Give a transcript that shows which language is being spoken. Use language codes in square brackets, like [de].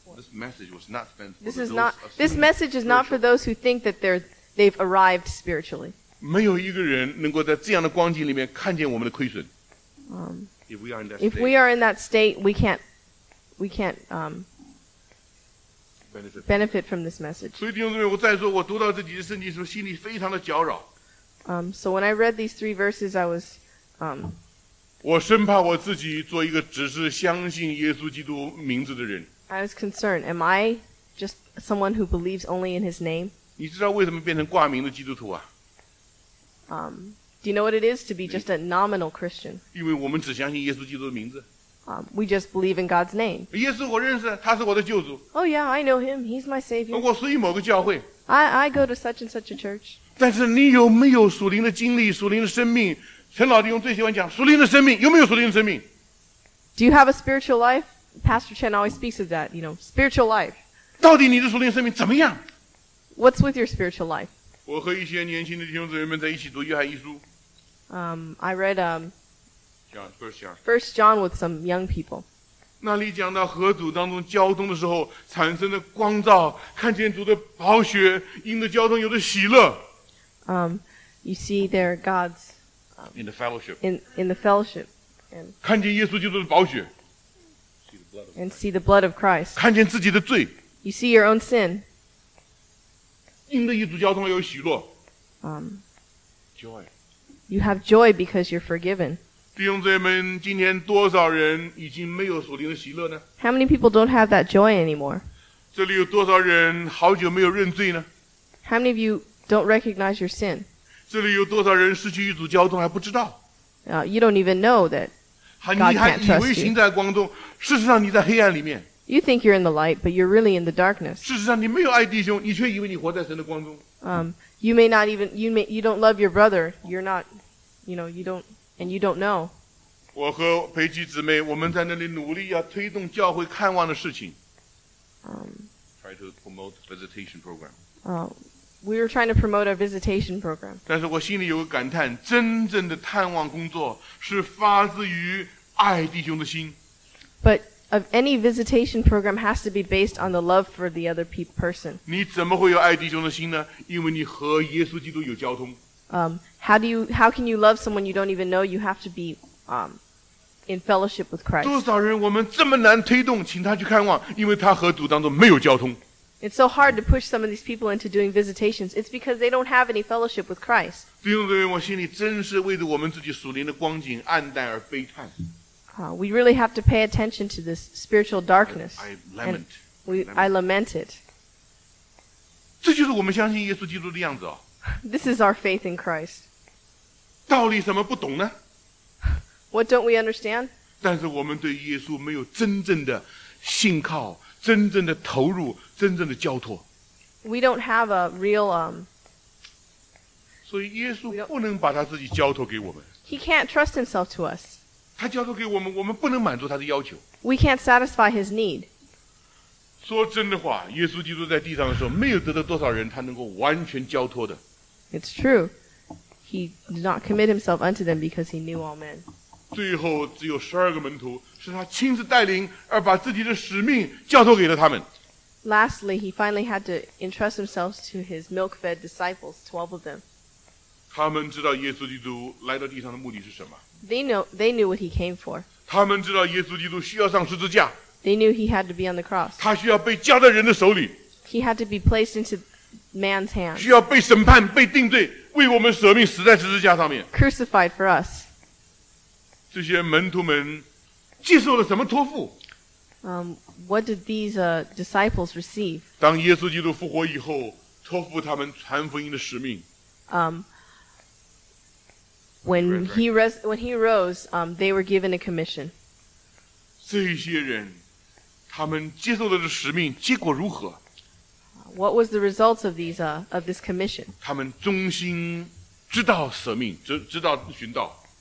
[en] This message is not for those who think that they've arrived spiritually. [zh] 没有一个人能够在这样的光景里面看见我们的亏损。 [en] If we are in that state, we can't benefit from this message. [zh] 所以弟兄姊妹，我再说，我读到这几节圣经的时候，心里非常的搅扰。 [en] So when I read these three verses, I was, [zh] 我生怕我自己做一个只是相信耶稣基督名字的人。 [en] I was concerned. Am I just someone who believes only in his name? [zh] 你知道为什么变成挂名的基督徒啊？ [en] Do you know what it is to be just a nominal Christian? [zh] 因为我们只相信耶稣基督的名字。 [en] We just believe in God's name. [zh] 耶稣我认识，他是我的救主。 [en] Oh yeah, I know him. He's my savior. [zh] 我属于某个教会。 [en] I go to such and such a church. [zh] 但是你有没有属灵的经历，属灵的生命？陈老弟兄最喜欢讲属灵的生命，有没有属灵的生命 [en] ？Do you have a spiritual life? Pastor Chen always speaks of that. You know, spiritual life. [zh] 到底你的属灵生命怎么样 [en] What's with your spiritual life? [zh] 我和一些年轻的弟兄姊妹们在一起读约翰一书。 [en] I read First John with some young people. [zh] 那里讲到河谷当中交通的时候产生的光照，看见主的宝血，因着交通有的喜乐。 [en] You see there God's in the fellowship. In the fellowship. [zh] 看见耶稣基督的宝血。 [en] And see the blood of Christ. [zh] 看见自己的罪。 [en] You see your own sin. [zh] 因着一组交通有喜乐。Joy. [en] You have joy because you're forgiven. [zh] 弟兄姊妹们，今天多少人已经没有属灵的喜乐呢？ [en] How many people don't have that joy anymore? [zh] 这里有多少人好久没有认罪呢？ [en] How many of you don't recognize your sin? [zh] 这里有多少人失去一组交通还不知道？ [en] You don't even know that God can't trust you. [zh] 你还以为行在光中，事实上你在黑暗里面。 [en] You think you're in the light, but you're really in the darkness. [zh] 事实上你没有爱弟兄，你却以为你活在神的光中。 [en] You may not even, you don't love your brother. You're not, you know, you don't, and you don't know. [zh] 我和培基姊妹，我们在那里努力要推动教会看望的事情。 [en] Try to promote visitation program. We were trying to promote a visitation program. [zh] 但是我心里有个感叹，真正的探望工作是发自于爱弟兄的心。 [en] But of any visitation program has to be based on the love for the other person. [zh] 你怎么会有爱弟兄的心呢？因为你和耶稣基督有交通。 [en] How can you love someone you don't even know? You have to be in fellowship with Christ. [zh] 多少人我们这么难推动，请他去看望，因为他和主当中没有交通。 [en] It's so hard to push some of these people into doing visitations. It's because they don't have any fellowship with Christ. [zh] 弟兄姊妹，我心里真是为着我们自己属灵的光景黯淡而悲叹。 [en] We really have to pay attention to this spiritual darkness. I lament it. [zh] 这就是我们相信耶稣基督的样子哦。 [en] This is our faith in Christ. [zh] 道理怎么不懂呢？ [en] What don't we understand? [zh] 但是我们对耶稣没有真正的信靠，真正的投入，真正的交托。 [en] We don't have a real, [zh] 所以耶稣不能把他自己交托给我们。 [en] He can't trust himself to us. [zh] 他交托给我们，我们不能满足他的要求。 [en] We can't satisfy his need. [zh] 说真的话，耶稣基督在地上的时候，没有得到多少人他能够完全交托的。 [en] It's true. He did not commit himself unto them because he knew all men. [zh] 最后只有十二个门徒是他亲自带领而把自己的使命交托给了他们。 [en] Lastly, he finally had to entrust himself to his milk-fed disciples, 12 of them. [zh] 他们知道耶稣基督来到地上的目的是什么。 [en] They knew what he came for. [zh] 他们知道耶稣基督需要上十字架。 [en] They knew he had to be on the cross. [zh] 他需要被交在人的手里。 [en] He had to be placed into man's hands. [zh] 需要被审判，被定罪，为我们舍命，死在十字架上面。 [en] Crucified for us. [zh] 这些门徒们接受了什么托付？ [en] What did these disciples receive? [zh] 当耶稣基督复活以后，托付他们传福音的使命。 [en] When he rose, they were given a commission. [zh] 这些人，他们接受了这使命，结果如何？ [en] What was the results of these, of this commission? [zh] 他们忠心知道舍命，知道寻道。